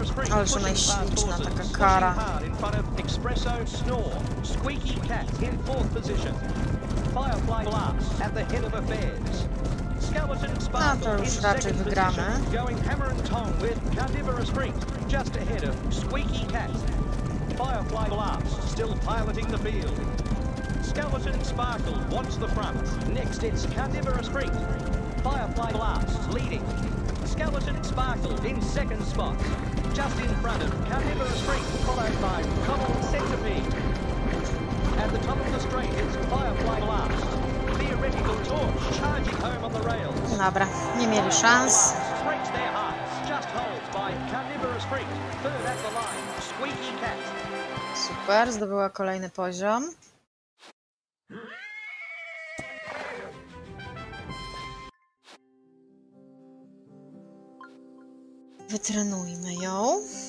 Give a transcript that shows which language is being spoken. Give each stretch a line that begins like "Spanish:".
Polish: Ale że ona jest śliczna, taka kara.
English: Expresso Snore, Squeaky Cat, in fourth position. Firefly Blast at the head of affairs. Skeleton Sparkle in second position. Going hammer and tong with Carnivorous Creek just ahead of Squeaky Cat. Firefly Blast still piloting the field. Skeleton Sparkle wants the front. Next it's Carnivorous Creek. Firefly Blast leading. Skeleton Sparkle in second spot. Just in front of Carnivorous Creek, followed by Cobbled Centipede. At the top of the straight, it's Firefly Blast. Theoretical Torch charging home on the rails.
Polish: Dobra, nie mieli szans.
English: Breaks their hearts, just hold by Carnivorous Freak. Third at the line, Squeaky Cat.
Polish: Super, zdobyła kolejny poziom. Wytrenujmy ją.